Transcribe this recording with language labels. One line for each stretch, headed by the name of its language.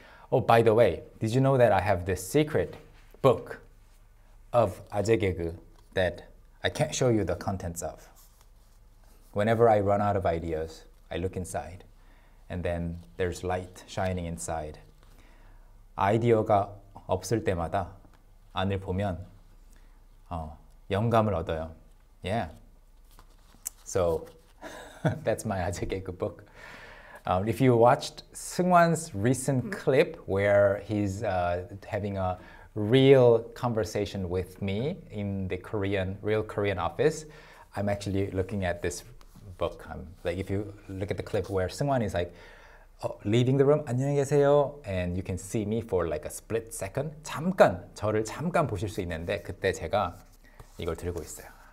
English: Oh, by the way, did you know that I have this secret book of 아재 개그 that I can't show you the contents of? Whenever I run out of ideas, I look inside and then there's light shining inside.
Korean: 아이디어가 없을 때마다 안을 보면 영감을 얻어요.
English: Yeah. So that's my 아재 개그 book. If you watched Seungwan's recent clip where he's having a real conversation with me in the Korean, real Korean office, I'm actually looking at this book. Like if you look at the clip where Seungwan is like leaving the room,
Korean: 안녕히 계세요,
English: and you can see me for like a split second.
Korean: 잠깐, 저를 잠깐 보실 수 있는데 그때 제가 이걸 들고 있어요.